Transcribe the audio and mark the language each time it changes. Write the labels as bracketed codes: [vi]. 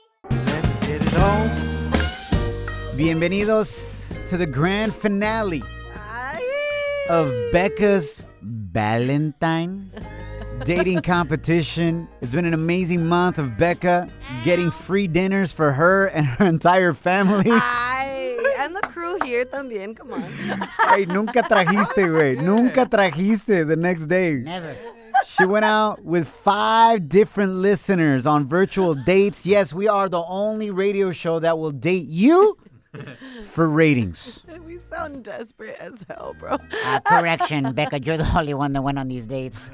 [en] Let's get it on. Bienvenidos to the grand finale of Becca's Valentine dating competition. It's been an amazing month of Becca getting free dinners for her and her entire family. And the crew here [es] también, [en] come on. [es] Hey, nunca trajiste, güey. Nunca trajiste [en] the next day. Never. She went out with five different listeners on virtual dates. Yes, we are the only radio show that will date you for ratings. We sound desperate as hell, bro. Correction, Becca, you're the only one that went on these dates.